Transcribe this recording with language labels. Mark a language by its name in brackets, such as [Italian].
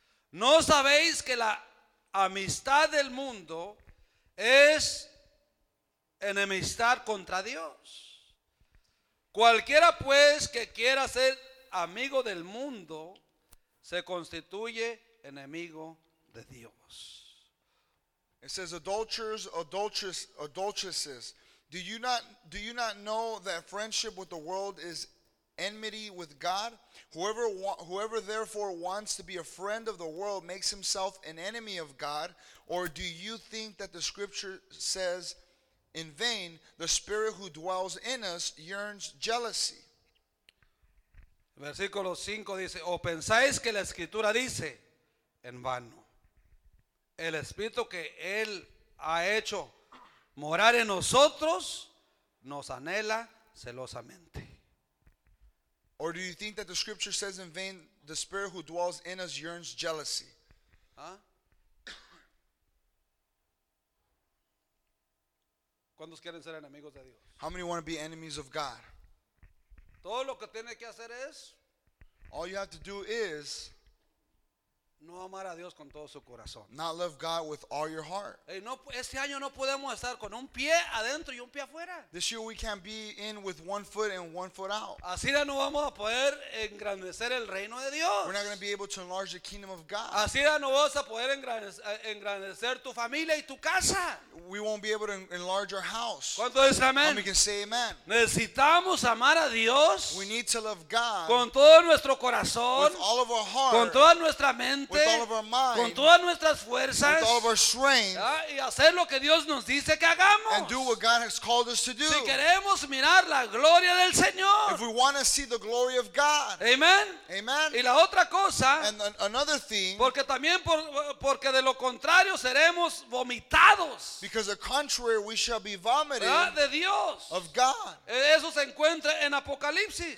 [Spanish] ¿No sabéis que la amistad del mundo es enemistad contra Dios? Cualquiera pues que quiera ser amigo del mundo se constituye enemigo de Dios. [English] It says, adulterers, adulteresses, do you not know that friendship with the world is enmity with God? Whoever therefore wants to be a friend of the world makes himself an enemy of God. Or do you think that the scripture says, in vain, the spirit who dwells in us yearns jealousy? [Spanish] Versículo 5 dice, o pensáis que la escritura dice, en vano. El espíritu que él ha hecho morar en nosotros nos anhela celosamente. [English] Or do you think that the scripture says in vain, the spirit who dwells in us yearns jealousy? [Spanish] ¿Cuántos quieren ser enemigos de Dios? [English] How many want to be enemies of God? [Spanish] Todo lo que tiene que hacer es, [English] all you have to do is [Spanish] no amar a Dios con todo su corazón. [English] Not love God with all your heart. [Spanish] Hey, no, este año no podemos estar con un pie adentro y un pie afuera. [English] This year we can't be in with one foot and one foot out. [Spanish] Así ya no vamos a poder engrandecer el reino de Dios. [English] We're not going to be able to enlarge the kingdom of God. [Spanish] Así ya no vas a poder engrandecer tu familia y tu casa. [English] We won't be able to enlarge our house. [Spanish] ¿Cuánto dice amén? [English] And we can say amen. [Spanish] Necesitamos amar a Dios. [English] We need to love God. [Spanish] Con todo nuestro corazón. [English] With all of our heart. [Spanish] Con toda nuestra mente. [English] With all of our mind, [Spanish] con todas nuestras fuerzas, [English] with all of our strength, [Spanish] y hacer lo que Dios nos dice que hagamos, [English] and do what God has called us to do. [Spanish] Si queremos mirar la gloria del Señor, [English] if we want to see the glory of God, [Spanish] amen, [English] amen. [Spanish] Y la otra cosa, [English] and another thing, [Spanish] porque también porque de lo contrario seremos vomitados, [English] because the contrary we shall be vomited, [Spanish] ¿verdad? De Dios, [English] of God. [Spanish] Eso se encuentra en Apocalipsis.